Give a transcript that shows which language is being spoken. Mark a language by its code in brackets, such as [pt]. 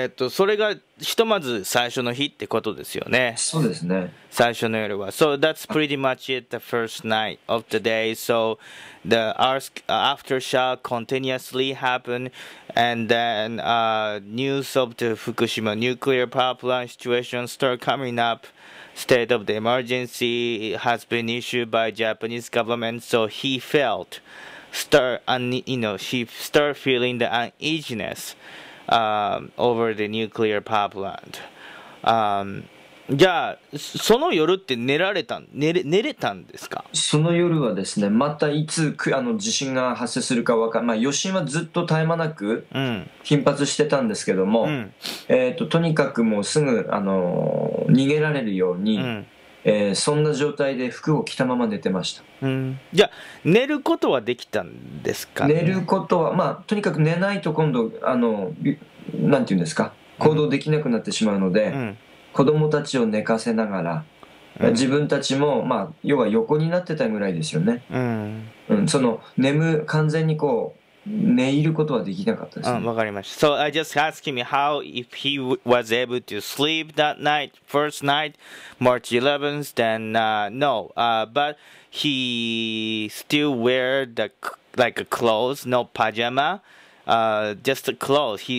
[ja] それがひとまず最初の日ってことですよね。そうですね。最初の夜は。 [en] So, that's pretty much it, the first night of the day. So, the aftershock continuously happened. And then, news of the Fukushima nuclear power plant situation started coming up. State of the emergency has been issued by Japanese government. So, he felt, he started feeling the uneasiness. Over the nuclear power plant. [ja] じゃあその夜って寝れたんですか？その夜はですね、またいつ地震が発生するか分かんない、まあ、余震はずっと絶え間なく頻発してたんですけども、うん、とにかくもうすぐ逃げられるように、うん、そんな状態で服を着たまま寝てました、うん、じゃあ寝ることはできたんですか、ね、寝ることはまあとにかく寝ないと今度なんていうんですか行動できなくなってしまうので、うん、子供たちを寝かせながら、うん、自分たちもまあ要は横になってたぐらいですよね、うんうん、その完全にこう寝入ることはできなかったですね。わかりました。 [en] So I just asked him how if he was able to sleep that night, first night, March 11th, then but he still wear the like a clothes, no pajama, just a clothes.